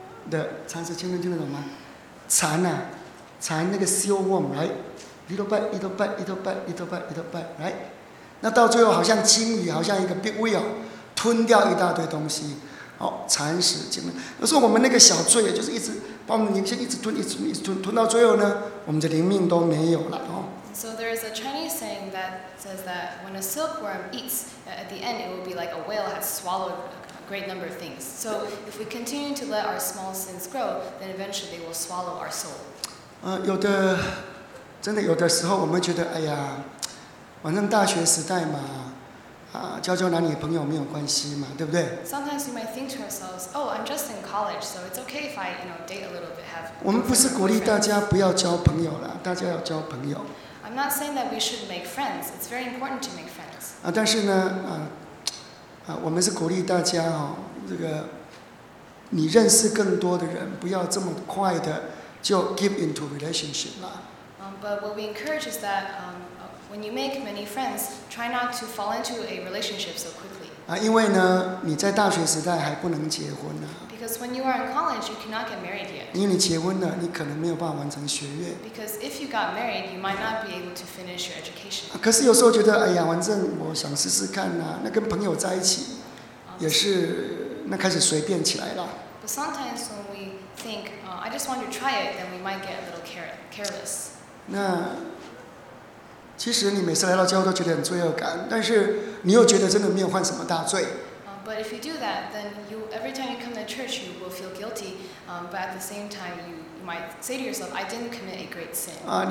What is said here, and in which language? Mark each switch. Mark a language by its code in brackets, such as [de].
[zh] 的“蚕食鲸吞”听得懂吗？蚕啊，蚕那个 [en] silkworm， right？little bit， little bit， little bit， little bit， little bit， right？ [zh] 那到最后好像鲸鱼，好像一个 [en] big whale， [zh] 吞掉一大堆东西。哦，蚕食鲸吞。有时候我们那个小罪，就是一直把我们灵性一直吞，一直吞，一直吞，吞到最后呢，我们的灵命都没有了。哦。 [en] So there is a Chinese saying that says that when a silkworm eats, at the end it will be like a whale has swallowed a great number of things. So if we continue to let our small sins grow, then eventually they will swallow our soul. [zh] 有的，真的有的时候我们觉得，哎呀，反正大学时代嘛。交交男女朋友没有关系嘛，对不对 [en] ？Sometimes we might think to ourselves, "Oh, I'm just in college, so it's okay if I, you know, date a little bit." Have [zh] 我们不是鼓励大家不要交朋友啦，大家要交朋友。 [en] I'm not saying that we should make friends. It's very important to make friends. [zh] 但是呢，我们是鼓励大家哦，这个你认识更多的人，不要这么快的就 [en] give into relationship [zh] 啦。 [en] But what we encourage is that. When you make many friends, try not to fall into a relationship so quickly. [zh] 因为呢，你在大学时代还不能结婚呢。 [en] Because when you are in college, you cannot get married yet. [zh] 因为你结婚了，你可能没有办法完成学业。 [en] Because if you got married, you might not be able to finish your education. [zh] 可是有时候觉得，哎呀，反正我想试试看呐，那跟朋友在一起，也是那开始随便起来了。 [en] But sometimes when we think, I just want to try it, then we might get a little careless. [zh] 那。其实你每次来到教会都觉得很罪恶感，但是你又觉得真的没有犯什么大罪。 [en] But if you do that, then you every time you come to church, you will feel guilty. But at the same time, you might say to yourself, "I didn't commit a great sin."